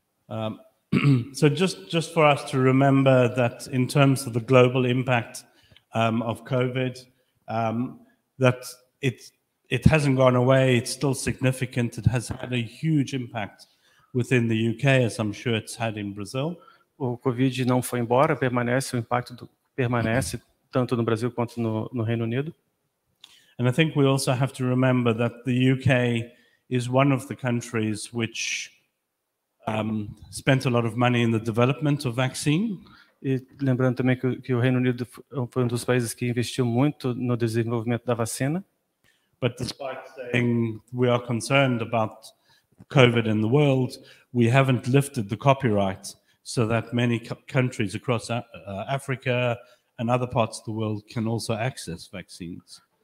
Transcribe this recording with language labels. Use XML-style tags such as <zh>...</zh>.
<en>So just for us to remember that in terms of the global impact of COVID, that it hasn't gone away, it's still significant, it has had a huge impact within the UK, as I'm sure it's had in Brazil.</en> <pt>O COVID não foi embora, permanece, o impacto permanece tanto no Brasil quanto no Reino Unido.</pt> <en>And I think we also have to remember that the UK is one of the countries which spent a lot of money in the development of vaccine.</en> <pt>E lembrando também que o Reino Unido foi dos países que investiu muito no desenvolvimento da vacina.</pt> <en>But despite saying we are concerned about COVID in the world, we haven't lifted the copyright so that many countries across Africa and other parts of the world can also access vaccines.</en>